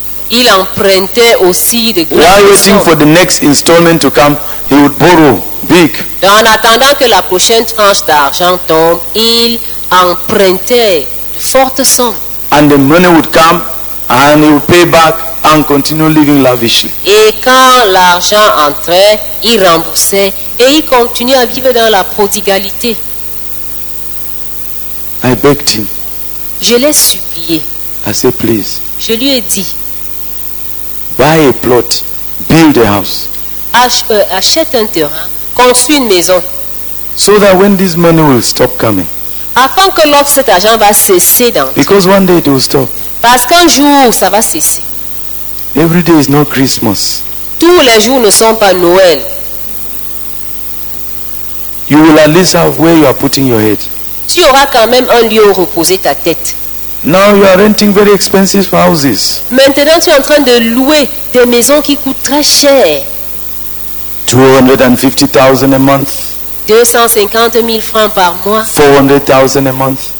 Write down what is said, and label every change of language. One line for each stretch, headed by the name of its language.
French: Il empruntait aussi de grandes sommes.
English: While waiting for the next installment to come, he would borrow big.
French: En attendant que la prochaine tranche d'argent tombe, il empruntait fortes sommes.
English: And the money would come, and he would pay back and continue living lavishly.
French: Et quand l'argent entrait, il remboursait et il continuait à vivre dans la prodigalité.
English: I begged him.
French: Je l'ai supplié.
English: I said, please.
French: Je lui ai dit.
English: Buy a plot, build a house.
French: Achète un terrain. Construis une maison.
English: So that when this money will stop coming.
French: Afin que lorsque cet argent va cesser d'entrer.
English: Because one day it will stop.
French: Parce qu'un jour ça va cesser.
English: Every day is not Christmas.
French: Tous les jours ne sont pas Noël.
English: You will at least have where you are putting your head.
French: Tu auras quand même un lieu où reposer ta tête.
English: Now you are renting very expensive houses.
French: Maintenant tu es en train de louer des maisons qui coûtent très cher.
English: 250,000 a month.
French: 250,000 francs par mois.
English: 400,000 a month.